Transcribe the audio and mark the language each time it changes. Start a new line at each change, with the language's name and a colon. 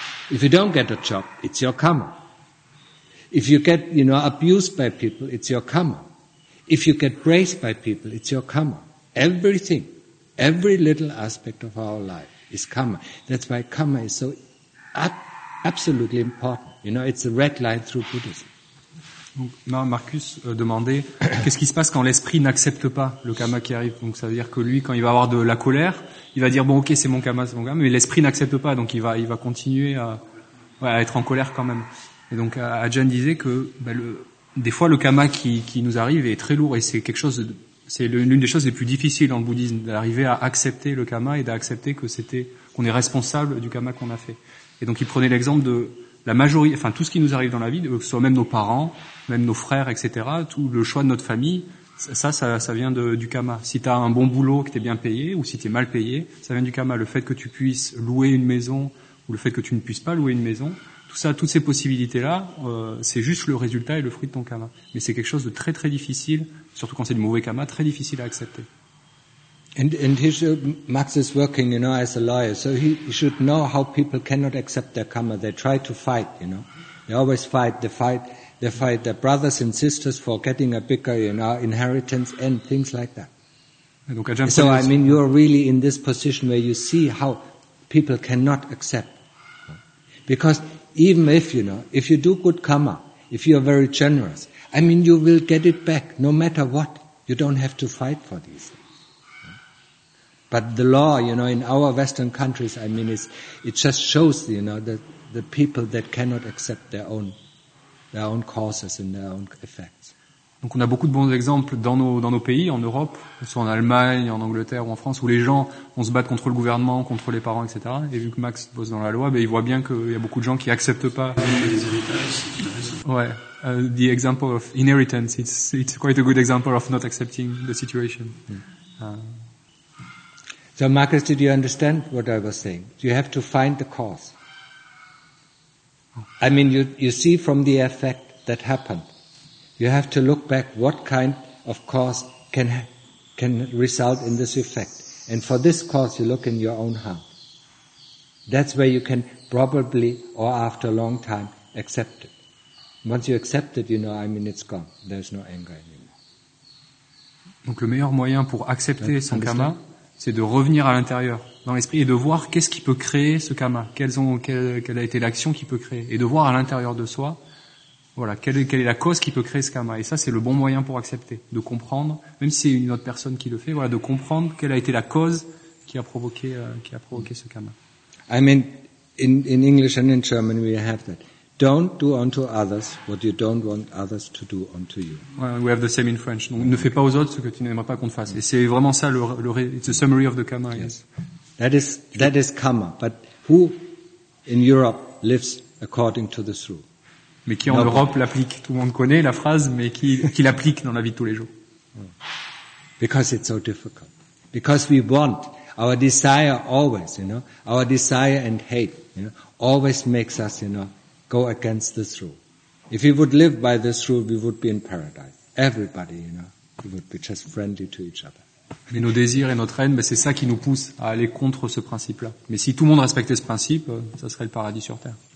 English: If you don't get a job, it's your karma. If you get, you know, abused by people, it's your karma. If you get praised by people, it's your karma. Everything, every little aspect of our life is karma. That's why karma is so absolutely important. You know, it's a red line through Buddhism.
French: Donc, Marcus demandait qu'est-ce qui se passe quand l'esprit n'accepte pas le karma qui arrive. Donc ça veut dire que lui, quand il va avoir de la colère, il va dire bon ok c'est mon karma, mais l'esprit n'accepte pas, donc il va continuer à être en colère quand même. Et donc Ajahn disait que des fois le karma qui nous arrive est très lourd, et c'est l'une des choses les plus difficiles dans le bouddhisme, d'arriver à accepter le karma et d'accepter qu'on est responsable du karma qu'on a fait. Et donc il prenait l'exemple de la majorité, enfin tout ce qui nous arrive dans la vie, que ce soit même nos parents, même nos frères, etc., tout le choix de notre famille, ça vient du karma. Si t'as un bon boulot, que t'es bien payé, ou si t'es mal payé, ça vient du karma. Le fait que tu puisses louer une maison, ou le fait que tu ne puisses pas louer une maison, tout ça, toutes ces possibilités-là, c'est juste le résultat et le fruit de ton karma. Mais c'est quelque chose de très très difficile, surtout quand c'est du mauvais karma, très difficile à accepter.
English: And his Max is working, you know, as a lawyer, so he should know how people cannot accept their karma. They try to fight, you know. They always fight. They fight their brothers and sisters for getting a bigger, you know, inheritance and things like that.
French: Et donc, Ajahn
English: so I mean, you are really in this position where you see how people cannot accept. Because even if, you know, if you do good karma, if you are very generous, I mean, you will get it back no matter what. You don't have to fight for these things. But the law, you know, in our Western countries, I mean, it just shows, you know, that the people that cannot accept their own causes and their own effects.
French: Donc on a beaucoup de bons exemples dans nos pays, en Europe, soit en Allemagne, en Angleterre ou en France, où les gens vont se battre contre le gouvernement, contre les parents, etc. Et vu que Max bosse dans la loi, ben il voit bien qu'il y a beaucoup de gens qui acceptent pas.
English: Ouais, the example of inheritance, it's quite a good example of not accepting the situation. So Marcus, did you understand what I was saying? You have to find the cause. I mean, you see from the effect that happened. You have to look back what kind of cause can result in this effect. And for this cause, you look in your own heart. That's where you can probably, or after a long time, accept it. Once you accept it, you know, I mean, it's gone. There's no anger anymore.
French: Donc le meilleur moyen pour accepter son karma, c'est de revenir à l'intérieur, dans l'esprit, et de voir qu'est-ce qui peut créer ce karma, quelle a été l'action qui peut créer, et de voir à l'intérieur de soi, voilà, quelle est la cause qui peut créer ce karma. Et ça, c'est le bon moyen pour accepter, de comprendre, même si c'est une autre personne qui le fait, voilà, de comprendre quelle a été la cause qui a provoqué ce karma.
English: I mean, in English and in German, we have that. Don't do unto others what you don't want others to do unto you. Well, we have the same in French.
French: Donc, ne fais pas aux autres ce que tu n'aimerais pas qu'on te fasse. Et c'est vraiment ça
English: it's a summary of the karma. Yes. That is karma. But who in Europe lives according to this rule?
French: Mais qui en Europe l'applique? Tout le monde connaît la phrase, mais qui l'applique dans la vie de tous les jours?
English: Because it's so difficult. Because we want our desire always, you know, our desire and hate, you know, always makes us, you know, go against this rule. If we would live by this rule, we would be in paradise. Everybody, you know, we would be just friendly to each other.
French: Mais nos désirs et notre haine, ben c'est ça qui nous pousse à aller contre ce principe-là. Mais si tout le monde respectait ce principe, ça serait le paradis sur terre.